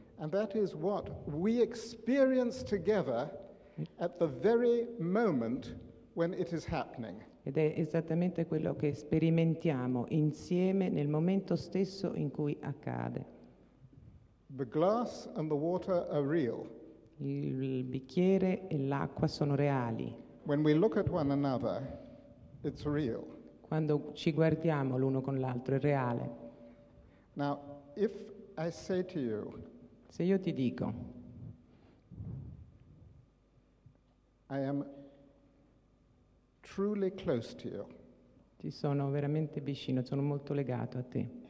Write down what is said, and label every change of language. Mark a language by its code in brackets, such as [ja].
[en] And that is what we experience together at the very moment when it is happening. [it] Ed è esattamente quello che sperimentiamo insieme nel momento stesso in cui accade. [en] The glass and the water are real. [it] Il bicchiere e l'acqua sono reali. [en] When we look at one another, it's real. [it] Quando ci guardiamo l'uno con l'altro, è reale. [en] Now, if I say to you, [it] se io ti dico, [en] I am truly close to you, [it] ti sono veramente vicino, sono molto legato a te,